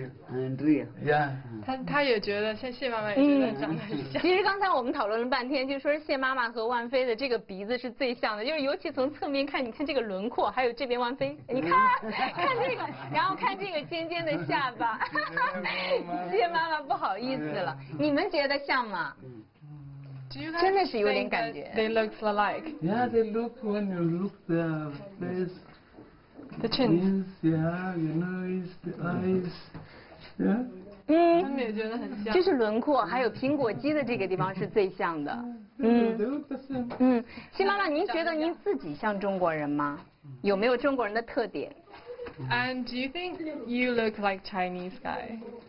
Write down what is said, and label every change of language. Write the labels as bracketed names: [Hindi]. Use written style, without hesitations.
[Chinese] Andrea，他也觉得像谢妈妈一样长得像。其实刚才我们讨论了半天，就说谢妈妈和万飞的这个鼻子是最像的，就是尤其从侧面看，你看这个轮廓，还有这边万飞，你看这个，然后看这个尖尖的下巴。谢妈妈不好意思了，你们觉得像吗？真的是有点感觉。 [English] They look alike. Yeah, they look when you look their face. The chin. Yeah, you know, it's the eyes. Yeah. [Chinese] 嗯，这是轮廓，还有苹果肌的这个地方是最像的。嗯，新妈妈，您觉得您自己像中国人吗？有没有中国人的特点？ [English] And do you think you look like Chinese guy?